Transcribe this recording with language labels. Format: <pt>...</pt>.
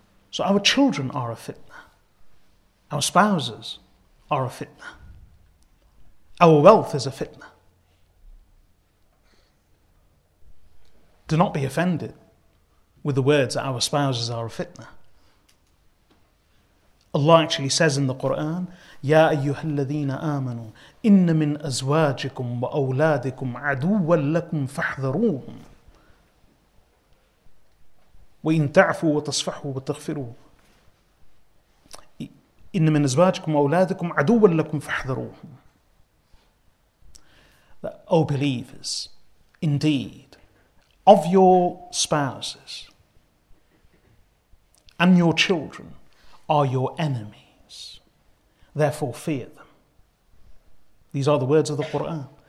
<en>So our children are a fitna. Our spouses are a fitna. Our wealth is a fitna. Do not be offended with the words that our spouses are a fitna. Allah actually says in the Quran,</en> <ar>يا أيها الذين آمنوا إن من أزواجكم وأولادكم عدوا لكم فاحذروهم وإن تعفوا وتصفحوا وتغفروا إن من أزواجكم وأولادكم عدوا لكم فاحذروهم.</ar> <en>O believers, indeed, of your spouses and your children are your enemies. Therefore, fear them. These are the words of the Quran.</en>